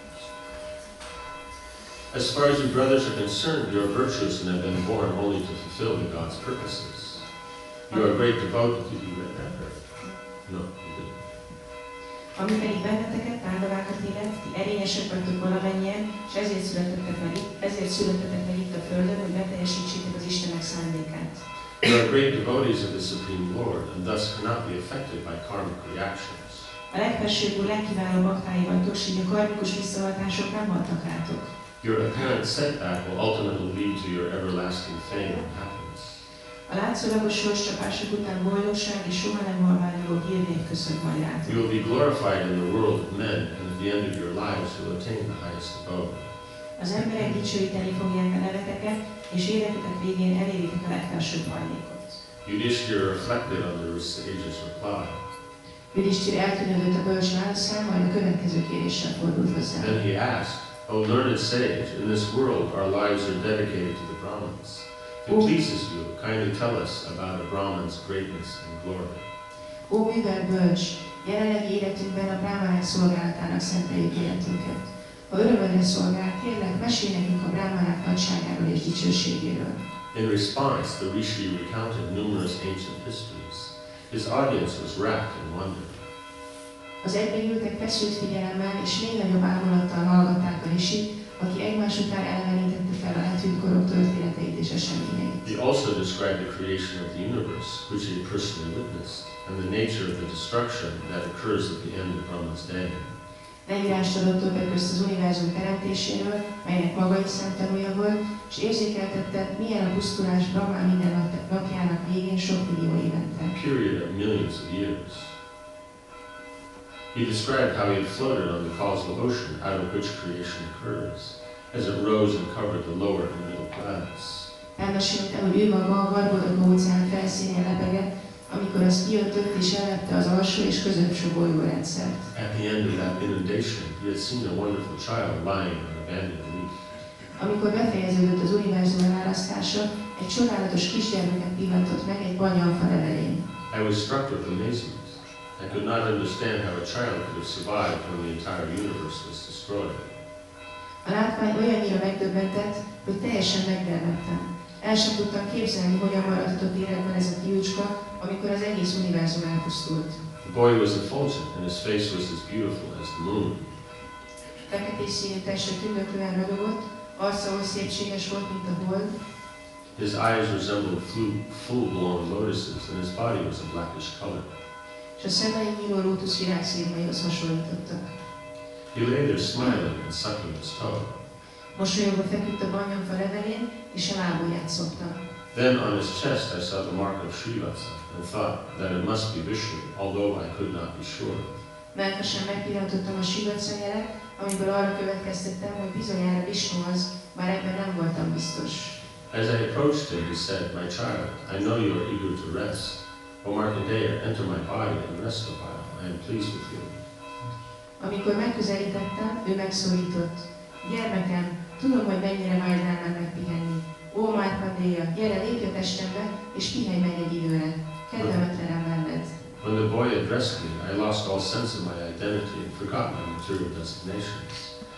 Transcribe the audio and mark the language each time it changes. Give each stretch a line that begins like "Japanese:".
English: far as your brothers are concerned, you are virtuous and have been born only to fulfill the God's purposes. You are a great devotee. Did you read that right? No, you didn't.
Hungarian: Ami pedig benneteket, pándorákat élet, ti erényesek vagytok valamennyien, és ezért születettek meg itt a Földön, hogy beteljesítsétek az Istenek szándékát.
English: You are great devotees of the Supreme Lord, and thus cannot be affected by karmic reactions.
Hungarian: A legfelsőbbről legkiválóbb baktái vagytok, s így a karmikus visszahatások nem hatnak rátok.
English: Your apparent setback will ultimately lead to your everlasting fame and happiness.
Hungarian: A látszólagos sorscsapások után boldogság és soha nem halványuló hírnév köszönt majd rátok.
English: You will be glorified in the world of men, and at the end of your lives you will attain the highest abode.
Hungarian: Az emberek dicsőíteni fogják a neveteket, és életetek végén elérítek a legfelsőbb hajlékot.
English: Yudhisthira reflected on the sage's reply.
Hungarian: Yudhisthira eltűnődött a bölcs válaszán, majd a következő kérdéssel fordult hozzá.
English: Then he asked, O learned sage, in this world our lives are dedicated to the Brahmins. If it pleases you, kindly tell us about a Brahmin's greatness and glory.
Hungarian: Ó, művel bölcs, jelenlegi életünkben a brahmanek szolgálatának szenteljük életünket. Ha örömödre szolgál, kérlek, mesélj nekünk a brahmanák nagyságáról és dicsőségéről.
English: In response, the rishi recounted numerous ancient histories. His audience was wrapped in wonder.
Hungarian: Az egyben ültek feszült figyelemmel, és még nagyobb ámulattal hallgatták a rishi, aki egymás után elmerítette fel a hetű korok történeteit és eseményeit.
English: He also described the creation of the universe, which he personally witnessed, and the nature of the destruction that occurs at the end of Brahma's day.
Hungarian: Leírást adott többek között az univerzum teremtéséről, melynek maga is szemtanúja volt, és érzékeltette, milyen a pusztulás Brahma minden napjának végén sok millió évente.
English: Period of millions of years. He described how he had floated on the causal ocean out of which creation occurs, as it rose and covered the lower and middle planets.
Hungarian: Elmesélte, hogy ő maga a Garbodaka óceán felszínén lebegett, amikor az kiöntött és elvette az alsó és középső bolygórendszert.
English: At the end of that inundation, he had seen a wonderful child lying on an abandoned reef.
Hungarian: Amikor befejeződött az univerzum elárasztása, egy csodálatos kisgyermeket pillantott meg egy banyalfa levelén.
English: I was struck with amazement. I could not understand how a child could have survived when the entire universe was destroyed.
Hungarian: A látvány olyannyira megdöbbentett, hogy teljesen megdermedtem. El sem tudtam képzelni, hogyan maradhatott életben ez a fiúcska, amikor az egész univerzum elpusztult.
English: The boy was effulgent, and his face was as beautiful as the moon.
Hungarian: Feketés színű teste tündöklően ragyogott, arca oly szépséges volt, mint a hold.
English: His eyes resembled full-blown lotuses, and his body was a blackish color.
Hungarian: És a szemei nyíló lótusz virágszírmaihoz hasonlítottak.
English: He lay there smiling and sucking his toe.
Hungarian: Mosolyogva feküdt a banyanfa levelén, és a lábujját szopta.
English: Then on his chest I saw the mark of Srivatsa and thought that it must be Vishnu, although I could not be sure.
Hungarian: Melkasan megpillantottam a Srivatsa jelet, amiből arra következtettem, hogy bizonyára Vishnu az, már ebben nem voltam biztos.
English: As I approached him, he said, My child, I know you are eager to rest. O Markandeya, enter my body and rest a while. I am pleased with you.
Hungarian: Amikor megközelítettem, ő megszólított. Gyermekem, tudom, hogy mennyire vágynál már megpihenni. Ó, Márkandéja, gyere, lépj a testembe, és pihenj meg egy időre. Kedvemetlenem lenned.
English: When the boy addressed me, I lost all sense of my identity and forgot my material designations.